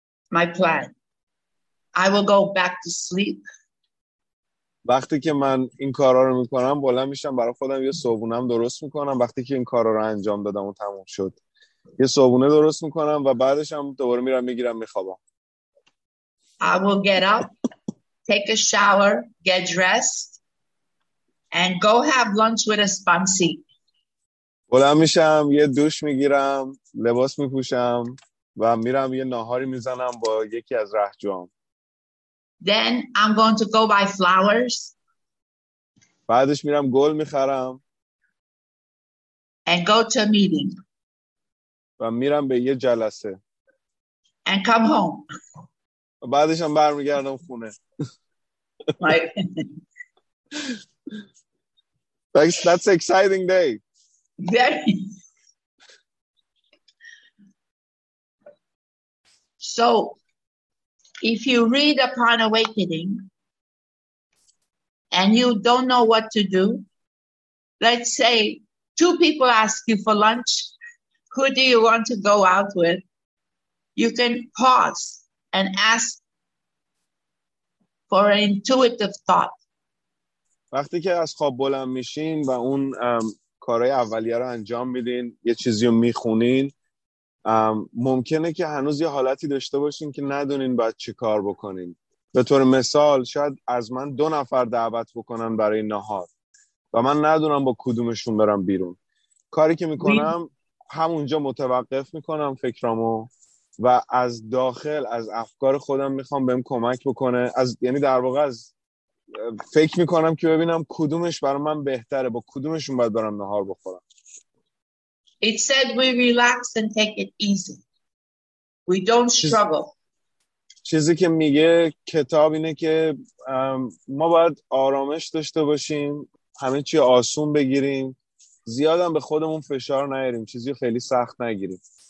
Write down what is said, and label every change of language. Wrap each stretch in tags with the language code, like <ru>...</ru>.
<en>My plan. I will go back to sleep.</en> <fa>وقتی که من این کارا رو میکنم بلند میشم برای خودم یه صبحونه درست میکنم. وقتی که این کارا رو انجام دادم و تموم شد یه صبحونه درست میکنم و بعدش هم دوباره میرم میگیرم میخوابم.</fa> <en>I will get up, take a shower, get dressed and go have lunch with a sponsee.</en> <fa>بلند میشم یه دوش میگیرم، لباس میپوشم و میرم یه ناهاری میزنم با یکی از رهجوام.</fa> <en>Then I'm going to go buy flowers.</en> <fa>بعدش میرم گل میخرم.</fa> <en>And go to a meeting.</en> <fa>و میرم به یه جلسه.</fa> <en>And come home.</en> <fa>و بعدش هم برمیگردم خونه.</fa> <en>That's an exciting day. Very. So if you read upon awakening and you don't know what to do, let's say 2 people ask you for lunch, who do you want to go out with? You can pause and ask for an intuitive thought.</en> <fa>وقتی که از خواب بلند میشین و اون کارهای اولیه رو انجام میدین، یه چیزی رو میخونین، ممکنه که هنوز یه حالتی داشته باشین که ندونین باید چه کار بکنین. به طور مثال شاید از من 2 نفر دعوت بکنن برای نهار، و من ندونم با کدومشون برم بیرون. کاری که میکنم همونجا متوقف میکنم فکرامو و از داخل از افکار خودم میخوام بهم کمک بکنه، از یعنی در واقع از فکر میکنم که ببینم کدومش برای من بهتره، با کدومشون باید برم نهار بخورم.</fa> <en>It said we relax and take it easy. We don't struggle.</en> <fa>چیزی که میگه کتاب اینه که ما باید آرامش داشته باشیم، همه چی آسون بگیریم، زیادم به خودمون فشار نیاریم، چیزی خیلی سخت نگیریم.</fa>